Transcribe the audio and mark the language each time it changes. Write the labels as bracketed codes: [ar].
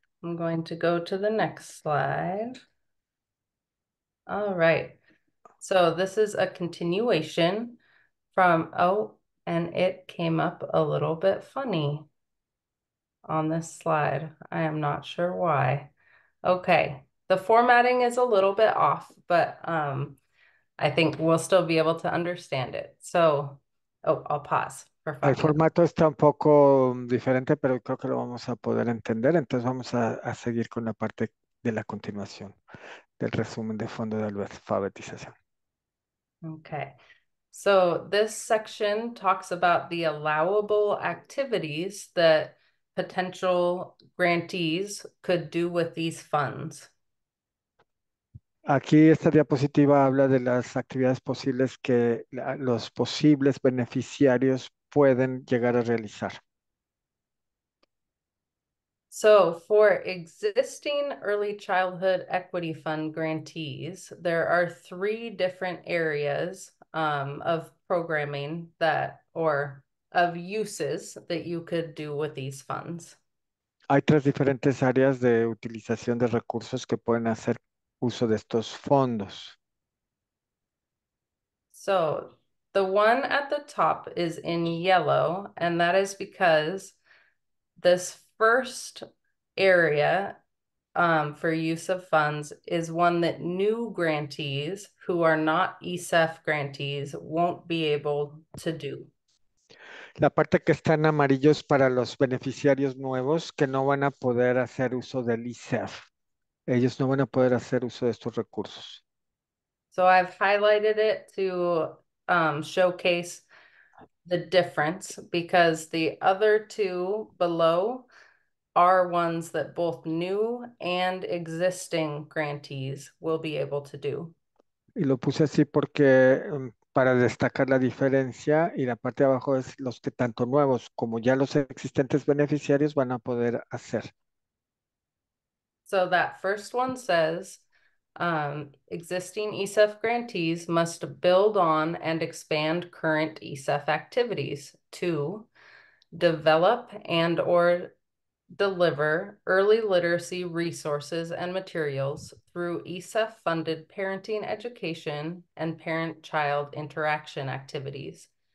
[en] I'm going to go to the next slide. All right, so this is a continuation from, oh, and it came up a little bit funny on this slide. I am not sure why. Okay, the formatting is a little bit off, but I think we'll still be able to understand it. So, oh, I'll pause for [es] El [en] Fabio. [es] formato está un poco diferente, pero creo que lo vamos a poder entender. Entonces vamos a seguir con la parte de la continuación del resumen de fondo de alfabetización. [en] Okay, so this section talks about the allowable activities that potential grantees could do with these funds. [es] Aquí esta diapositiva habla de las actividades posibles que los posibles beneficiarios pueden llegar a realizar. [en] So, for existing early childhood equity fund grantees, there are three different areas of programming that, or of uses that you could do with these funds. [es] Hay tres diferentes áreas de utilización de recursos que pueden hacer uso de estos fondos. [en] So, the one at the top is in yellow, and that is because this first area for use of funds is one that new grantees who are not ESEF grantees won't be able to do. [es] La parte que está en amarillo es para los beneficiarios nuevos que no van a poder hacer uso del ISEF. Ellos no van a poder hacer uso de estos recursos. [en] So I've highlighted it to showcase the difference because the other two below are ones that both new and existing grantees will be able to do. [es] Lo puse así porque para destacar la diferencia, y la parte de abajo es los que tanto nuevos como ya los existentes beneficiarios van a poder hacer. [en] So that first one says existing ESEF grantees must build on and expand current ESEF activities to develop and or deliver early literacy resources and materials through ESEF-funded parenting education and parent-child interaction activities.